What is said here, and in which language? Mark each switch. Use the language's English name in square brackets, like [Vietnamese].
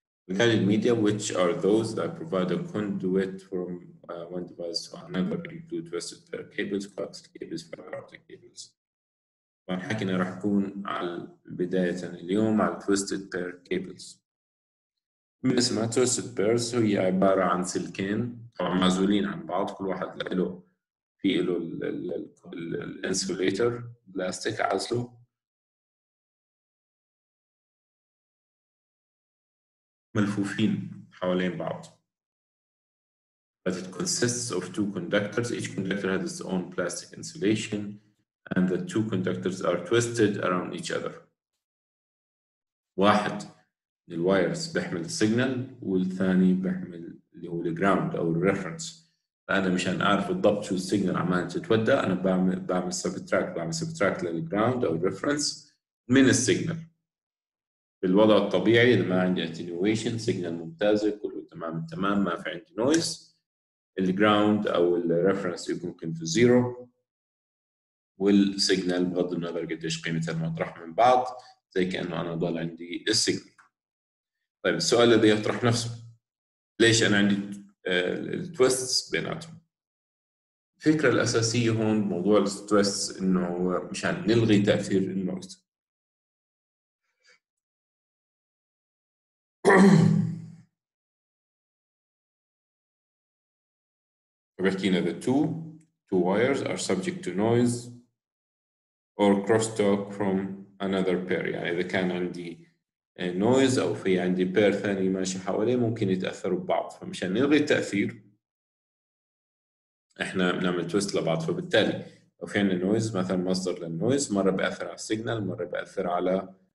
[English] الجايدد media which are those that provide a conduit from one device to another include twisted pair cables, coaxial cables, fiber optic cables. [Arabic] حكينا راح يكون على بداية اليوم على twisted pair cables. من اسمها twisted pairs هي عبارة عن سلكين طبعا معزولين عن بعض، كل واحد له في له ال insulator plastic عزله. ملفوفين حوالين بعض. [English] But it consists of two conductors. Each conductor has its own plastic insulation. And the two conductors are twisted around each other. [Arabic] واحد الوايرز بيحمل السيجنال والثاني بيحمل اللي هو الجراوند او الريفرنس. فانا مشان اعرف بالضبط شو السيجنال عمال تتودى، انا بعمل سبتراكت للجراوند او الريفرنس من السيجنال. بالوضع الطبيعي اذا ما عندي اتنيويشن، سيجنال ممتازه كله تمام تمام ما في عندي نويز، الجراوند او الريفرنس يكون في زيرو، والسيجنال بغض النظر قديش قيمتها المطرح من بعض زي كأنه أنا ضل عندي السيجنال. طيب السؤال الذي يطرح نفسه، ليش أنا عندي التويستس بيناتهم؟ الفكرة الأساسية هون موضوع التويستس إنه مشان نلغي تأثير النويز. [English] بحكينا the two wires are subject to noise or crosstalk from another pair. [Arabic] يعني إذا كان عندي noise أو في عندي pair ثاني ماشي حواليه ممكن يتأثروا ببعض، فمشان نلغي التأثير إحنا بنعمل twist لبعض. فبالتالي لو في عندنا noise مثلا مصدر للنويز، مرة بأثر على signal مرة بأثر على